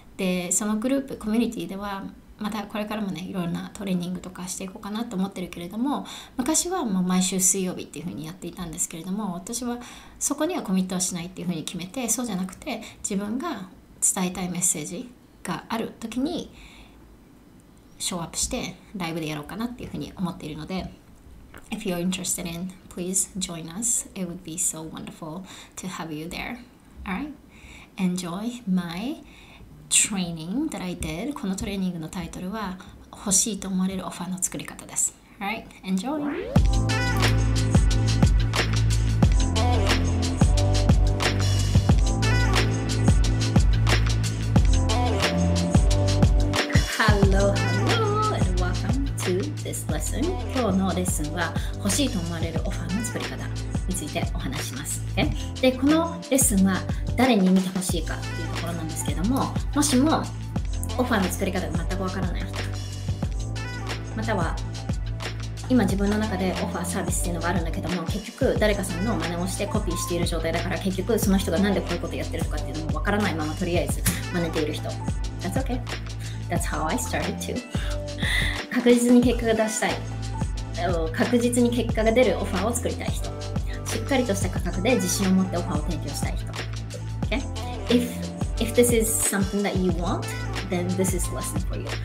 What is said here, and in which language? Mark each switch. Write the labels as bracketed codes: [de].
[ja] で、そのグループ、コミュニティでは、またこれからもね、いろんなトレーニングとかしていこうかなと思ってるけれども、昔はもう毎週水曜日っていう風にやっていたんですけれども、私はそこにはコミットをしないっていう風に決めて、そうじゃなくて自分が伝えたいメッセージがある時にショーアップしてライブでやろうかなっていう風に思っているので、 [en] If you're interested in, please join us. It would be so wonderful to have you there. Alright? Enjoy my... training that I did. [ja] このトレーニングのタイトルは欲しいと思われるオファーの作り方です。 [en] Alright, enjoy! Hello, hello, and welcome to this lesson. [ja] 今日のレッスンは欲しいと思われるオファーの作り方についてお話します。 [en] Okay? [ja] で、このレッスンは誰に見てほしいかっていうところなんですけども、もしもオファーの作り方が全くわからない人、または今自分の中でオファーサービスっていうのがあるんだけども、結局誰かさんの真似をしてコピーしている状態だから、結局その人がなんでこういうことやってるとかっていうのもわからないまま、とりあえず真似ている人、 [en] That's okay. That's how I started too. [ja] 確実に結果が出したい、確実に結果が出るオファーを作りたい人、しっかりとした価格で自信を持ってオファーを提供したい人。 [en] Okay? If this is something that you want, then this is the lesson for you.